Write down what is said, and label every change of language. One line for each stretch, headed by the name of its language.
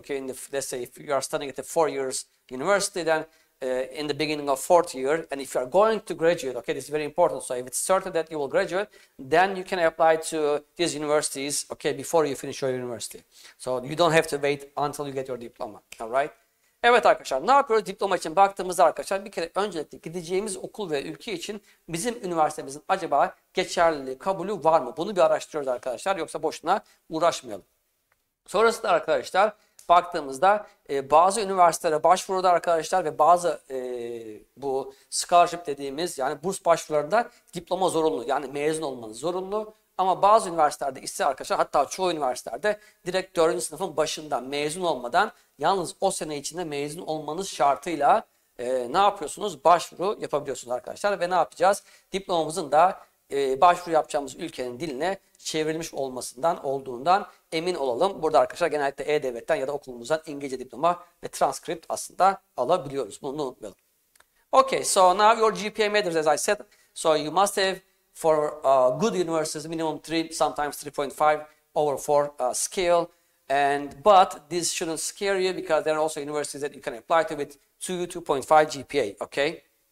English: Okay, in the, let's say if you are studying at a 4 years university, then in the beginning of fourth year, and if you are going to graduate, okay, this is very important. So if it's certain that you will graduate, then you can apply to these universities, okay, before you finish your university. So you don't have to wait until you get your diploma. All right.
Turkish: Evet arkadaşlar, ne yapıyoruz diploma için baktığımızda arkadaşlar, bir kere öncelikle gideceğimiz okul ve ülke için bizim üniversitemizin acaba geçerliliği, kabulü var mı? Bunu bir araştırıyoruz arkadaşlar, yoksa boşuna uğraşmayalım. Sonrasında arkadaşlar baktığımızda bazı üniversitelere başvuruda arkadaşlar ve bazı bu scholarship dediğimiz yani burs başvurularında diploma zorunlu, yani mezun olmanız zorunlu. Ama bazı üniversitelerde ise arkadaşlar, hatta çoğu üniversitelerde direkt 4. sınıfın başından mezun olmadan, yalnız o sene içinde mezun olmanız şartıyla ne yapıyorsunuz? Başvuru yapabiliyorsunuz arkadaşlar. Ve ne yapacağız? Diplomamızın da başvuru yapacağımız ülkenin diline çevrilmiş olmasından, olduğundan emin olalım. Burada arkadaşlar genellikle E-Devlet'ten ya da okulumuzdan İngilizce diploma ve transkript aslında alabiliyoruz. Bunu unutmayalım.
English: Okay, so now your GPA matters as I said. So you must have for good universities minimum 3, sometimes 3.5 over 4 scale. And but this shouldn't scare you, because there are also universities that you can apply to with 2.5 GPA, okay?